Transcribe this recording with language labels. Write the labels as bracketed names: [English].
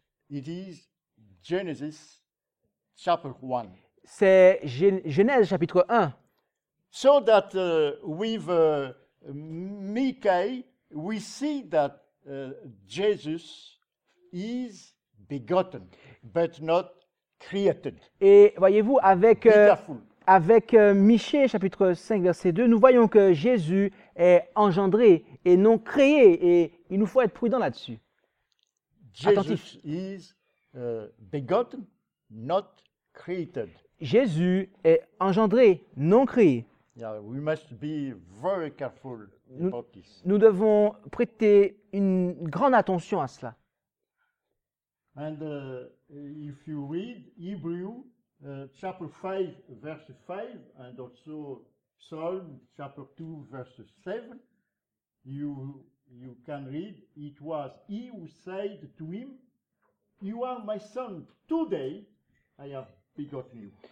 [English] It is Genesis chapter 1. [French] C'est Genèse chapitre 1. [English] So that with Micah, we see that Jesus is begotten, but not created. [French] Et voyez-vous, avec Michée chapitre 5 verset 2, nous voyons que Jésus est engendré et non créé, et il nous faut être prudent là-dessus. Attentif. [English] Is begotten, not created. [French] Jésus est engendré, non créé. [English] Yeah, we must be very careful about this. [French] Nous devons prêter une grande attention à cela. [English] And if you read Hebrew chapter 5 verse 5 and also Psalm chapter 2 verse 7, you can read it was he who said to him, "You are my son, today I have begotten you."